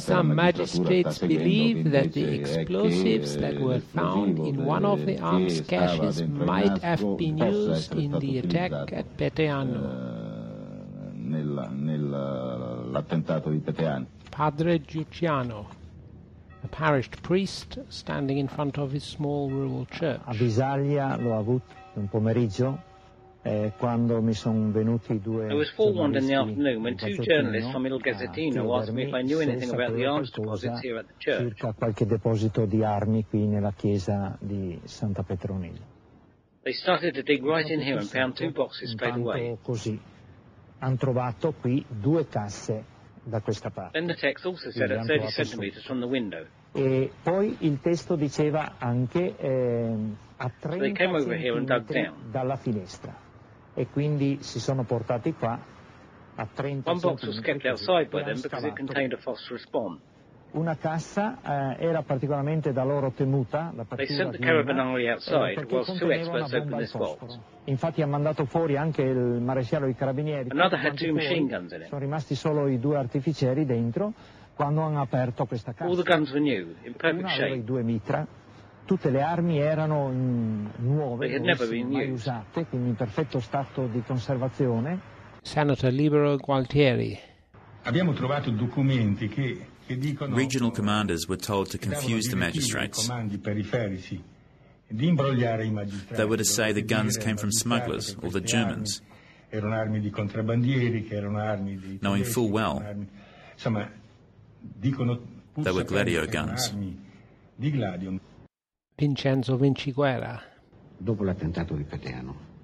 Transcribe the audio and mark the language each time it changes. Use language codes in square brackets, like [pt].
[en] Some magistrates believe that the explosives that were found in one of the arms caches might have been used in the attack at Peteano. Padre Giuciano, a parish priest standing in front of his small rural church. [it] A Visaglia l'ho avuto un pomeriggio. [en] I was forewarned in the afternoon when two journalists from Il Gazzettino asked me if I knew anything about the arms deposits here at the church. [it] Circa qualche deposito di armi qui nella chiesa di Santa Petronilla. [en] They started to dig right in here and found two boxes straight away. [it] Così, han trovato qui due casse da questa parte. [en] Then the text also said at 30 centimeters from the window. [it] E poi il testo diceva anche a 30 centimetri dalla finestra. E quindi si sono portati qua a 30 [en] One box was kept outside by them because it contained a phosphorus bomb. [it] Una cassa era particolarmente da loro temuta. La [en] they sent the carabinieri outside whilst two experts opened this box. [it] Infatti ha mandato fuori anche il maresciallo e i carabinieri. [en] Another had two machine guns in it. [it] Sono rimasti solo i due artificieri dentro quando hanno aperto questa cassa. [en] All the guns were new, in perfect shape. [it] Uno aveva i due mitra. Tutte le armi erano nuove, mai usate, quindi in perfetto stato di conservazione. [en] Senator Libero Gualtieri. [it] Abbiamo trovato documenti che dicono. [en] Regional commanders were told to confuse the magistrates. [it] Comandi periferici di imbrogliare i magistrati. [en] They were to say the guns came from smugglers or the Germans. [it] Erano armi di contrabbandieri, che erano armi di. [en] Knowing full well. [it] Insomma, dicono. [en] They were Gladio guns. [it] Di Gladio. Vincenzo Vinciguerra. Dopo l'attentato di Peteano.